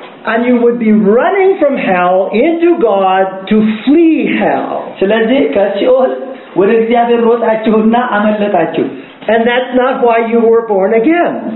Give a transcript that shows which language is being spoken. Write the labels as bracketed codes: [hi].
[en] And you would be running from hell into God to flee hell [am] selezi kasiol ወደ እግዚአብሔር ሮጣችሁና አመለጣችሁ [en] and that's not why you were born again